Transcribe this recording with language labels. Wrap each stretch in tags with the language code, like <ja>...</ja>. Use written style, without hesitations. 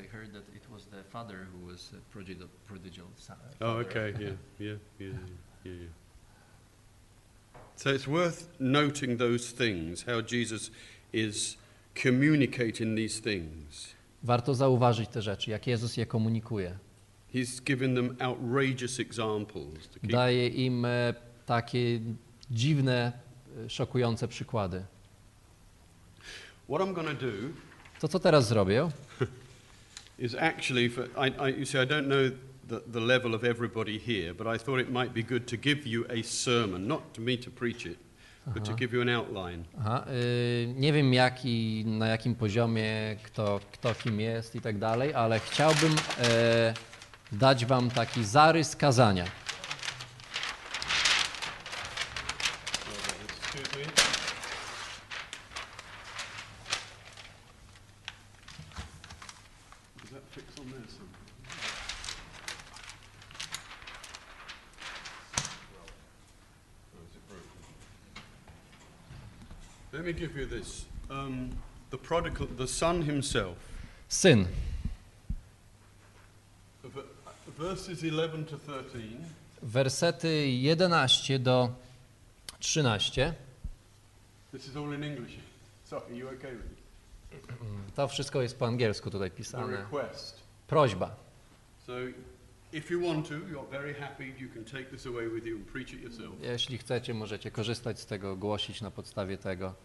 <en>I heard that it was the father who was a prodigal son. Oh, okay, yeah. So it's worth noting those things, how Jesus is communicating these things.</en> <pl>Warto zauważyć te rzeczy, jak Jezus je komunikuje.</pl> <en>He's given them outrageous examples to keep.</en> <pl>Daje im takie dziwne, szokujące przykłady.</pl> <en>What I'm gonna do,</en> <pl>to co teraz zrobię?</pl> <en>Is actually for you see, I don't know the level of everybody here, but I thought it might be good to give you a sermon, not to me to preach it. Aha. But to give you an outline. Aha.</en> <pl>Nie wiem jaki, na jakim poziomie kto kim jest i tak dalej, ale chciałbym dać wam taki zarys kazania.</pl> <en>Let me give you this. The prodigal, the son himself. Sin. Verses 11 to 13.</en> <pl>Wersety 11 do 13.</pl> <en>This is all in English. Sorry, are you okay with it?</en> <pl>To wszystko jest po angielsku tutaj pisane.</pl> <en>A request.</en> <pl>Prośba.</pl> <en>So, if you want to, you're very happy, you can take this away with you and preach it yourself.</en> <pl>Jeśli chcecie, możecie korzystać z tego, głosić na podstawie tego.</pl>